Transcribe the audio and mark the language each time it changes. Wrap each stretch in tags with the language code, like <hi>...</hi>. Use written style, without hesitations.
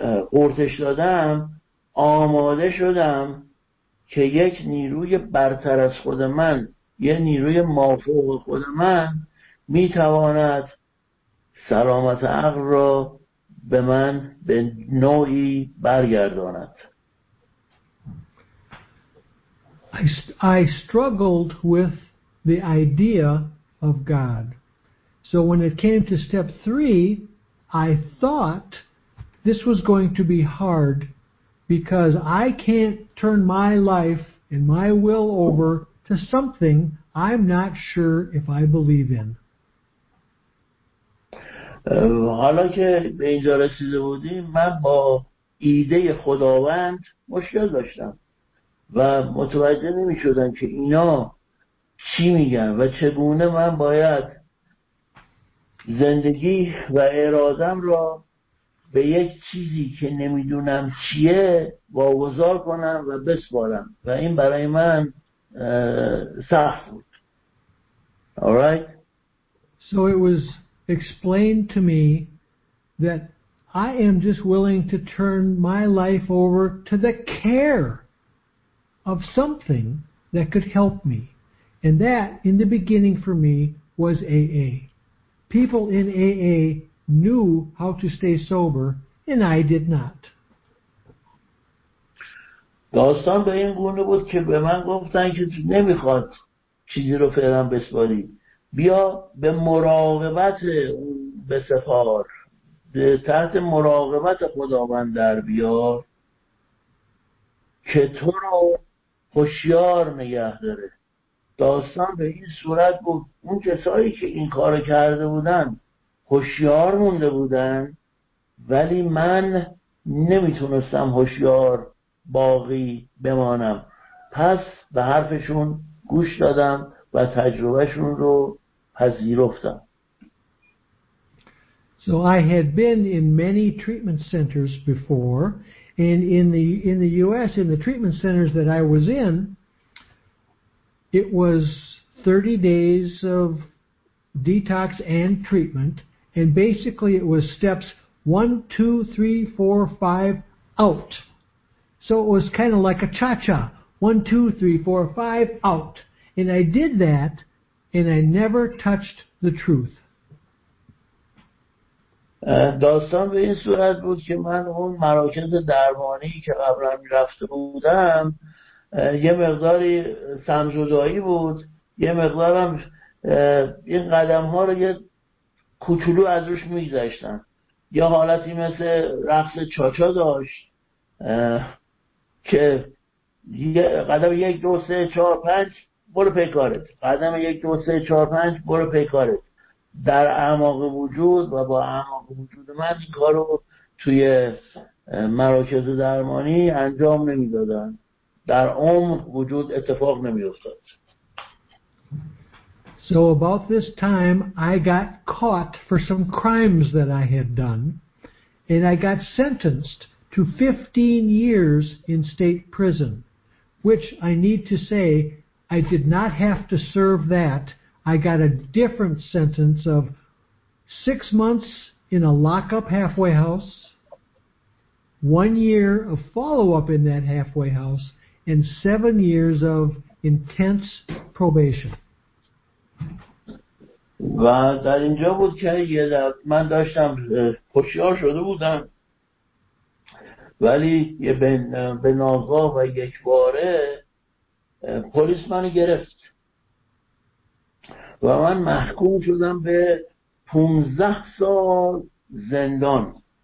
<fa>قورتش دادم، آماده شدم که یک نیروی برتر از خود من، یک نیروی مافوق خود من میتواند سلامت عقل را به من به نوعی برگرداند.</fa> <en>I struggled with the idea of God. So when it came to step three, I thought this was going to be hard because I can't turn my life and my will over to something I'm not sure if I believe in.</en> <fa>حالا که به اینجا رسیده بودیم، من با ایده خداوند مشکل داشتم و متوجه نمی شدم که اینا چی میگن و چگونه من باید زندگی و ارادم را به یک چیزی که نمیدونم چیه واگذار کنم و بسپارم و این برای من سخت بود.</fa> <en>Alright? So it was explained to me that I am just willing to turn my life over to the care of something that could help me. And that, in the beginning for me, was AA. People in AA knew how to stay sober, and I did not.</en> <fa>داستان به این گونه بود که به من گفتن که تو نمیخواد چیزی رو فعلا بسپاری، بیا به مراقبت اون بسپار، به تحت مراقبت خداوند در بیار که تو رو هوشیار نگه داره. داستان به این صورت بود. اون کسایی که این کار کرده بودن هوشیار مونده بودن، ولی من نمیتونستم هوشیار باقی بمانم، پس به حرفشون گوش دادم و تجربهشون رو پذیرفتم.</fa> <en>So I had been in many treatment centers before, And in the U.S., in the treatment centers that I was in, it was 30 days of detox and treatment, and basically it was steps 1, 2, 3, 4, 5 out. So it was kind of like a cha-cha, 1, 2, 3, 4, 5 out. And I did that, and I never touched the truth.</en> <fa>داستان به این صورت بود که من اون مراکز درمانی که قبلا می رفته بودم یه مقداری سمجدایی بود، یه مقدارم این قدم ها رو یه کوچولو از روش می گذشتم، یه حالتی مثل رقص چاچا داشت که یه قدم 1, 2, 3, 4, 5 برو پیکارت، قدم 1, 2, 3, 4, 5 برو پیکارت در اعماق وجود، و با اعماق وجود من این کار رو توی مراکز درمانی انجام نمی دادن. در عمق وجود اتفاق نمی افتاد.</fa> <en>So about this time I got caught for some crimes that I had done, and I got sentenced to 15 years in state prison, which I need to say I did not have to serve that. I got a different sentence of 6 months in a lockup halfway house, 1 year of follow-up in that halfway house, and 7 years of intense probation.</en> <fa>و در اینجا بود که من داشتم هوشیار شده بودم، ولی یه به ناگاه و یک باره پلیس منو گرفت و من محکوم شدم به 15 سال زندان.</fa>